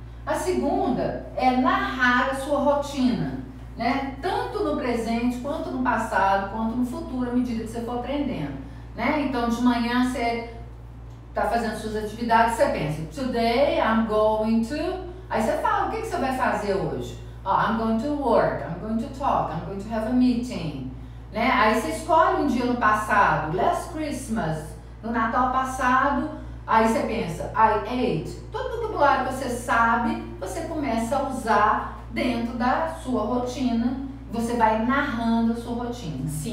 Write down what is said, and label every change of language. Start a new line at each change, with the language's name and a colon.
Portuguese: A segunda é narrar a sua rotina. Né? Tanto no presente, quanto no passado, quanto no futuro, à medida que você for aprendendo. Né? Então, de manhã, você está fazendo suas atividades, você pensa,
English: today I'm going to...
Portuguese: Aí você fala, o que você vai fazer hoje?
English: Oh, I'm going to work, I'm going to talk, I'm going to have a meeting.
Portuguese: Né? Aí você escolhe um dia no passado,
English: last Christmas,
Portuguese: no Natal passado, aí você pensa,
English: I ate.
Portuguese: Todo vocabulário que você sabe, você começa a usar dentro da sua rotina, você vai narrando a sua rotina. Sim,